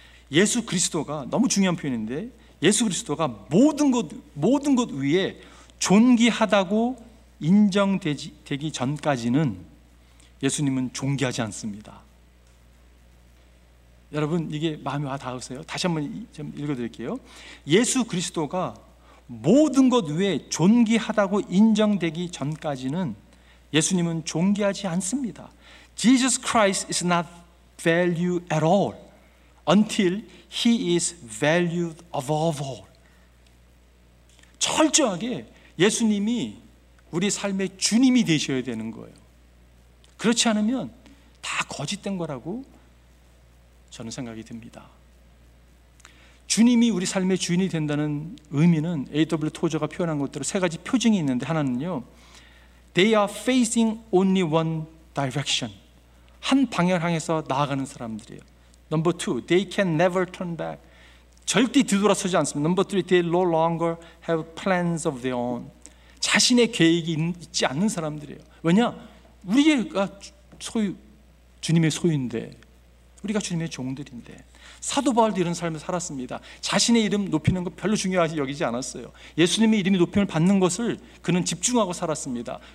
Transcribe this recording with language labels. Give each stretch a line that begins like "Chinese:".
Korean: 예수 그리스도가, 너무 중요한 표현인데, 예수 그리스도가 모든 것 위에 존귀하다고 인정되기 전까지는 예수님은 존귀하지 않습니다. 여러분 이게 마음이 와 닿으세요? 다시 한번 좀 읽어드릴게요. 예수 그리스도가 모든 것 위에 존귀하다고 인정되기 전까지는 예수님은 존귀하지 않습니다.
English: Jesus Christ is not valued at all until he is valued above all.
Korean: 철저하게 예수님이 우리 삶의 주님이 되셔야 되는 거예요. 그렇지 않으면 다 거짓된 거라고 저는 생각이 듭니다. 주님이 우리 삶의 주인이 된다는 의미는 A.W. 토저가 표현한 것대로 세 가지 표징이 있는데, 하나는요,
English: They are facing only one direction.
Korean: 한 방향을 향해서 나아가는 사람들이에요.
English: Number two, they can never turn back.
Korean: 절대 뒤돌아서지 않습니다.
English: Number three, they no longer have plans of their own.
Korean: 자신의 계획이 있지 않는 사람들이에요. 왜냐? 우리가 소유, 주님의 소유인데, 우리가 주님의 종들인데. 사도 바울도 이런 삶을 살았습니다. 자신의 이름 높이는 거 별로 중요하지 여기지 않았어요. 예수님의 이름이 높임을 받는 것을 그는 집중하고 살았습니다.